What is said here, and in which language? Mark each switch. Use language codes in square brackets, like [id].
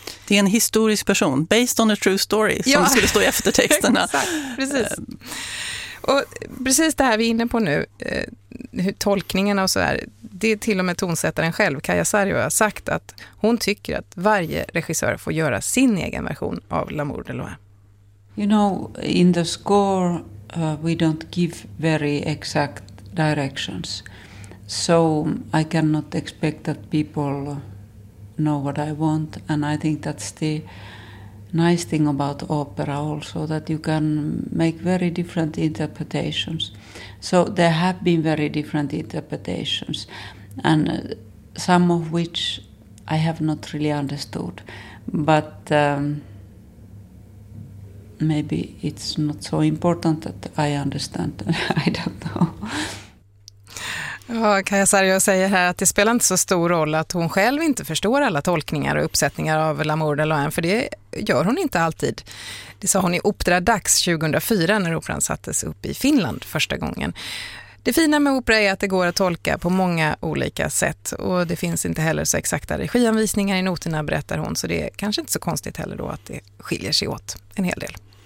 [sv] Det är en historisk person, [en] based on a true story, [sv] som ja. Det skulle stå i eftertexterna. Exakt, precis. Och precis det här vi är inne på nu, hur tolkningarna och så här, det är till och med tonsättaren själv, Kaija Saario, har sagt att hon tycker att varje regissör får göra sin egen version av L'amour de Loire. [en] You know, in the score we don't give very exact directions. So I cannot expect that people know what I want. And I think that's the nice thing about opera also, that you can make very different interpretations. So there have been very different interpretations, and some of which I have not really understood. But maybe it's not so important that I understand. I don't know. [sv] Ja, Kaija Saario säger här att det spelar inte så stor roll att hon själv inte förstår alla tolkningar och uppsättningar av L'amour de Loire, för det gör hon inte alltid. Det sa hon i Opera Dax 2004 när operan sattes upp i Finland första gången. Det fina med opera är att det går att tolka på många olika sätt, och det finns inte heller så exakta regianvisningar i noterna, berättar hon, så det är kanske inte så konstigt heller då att det skiljer sig åt en hel del.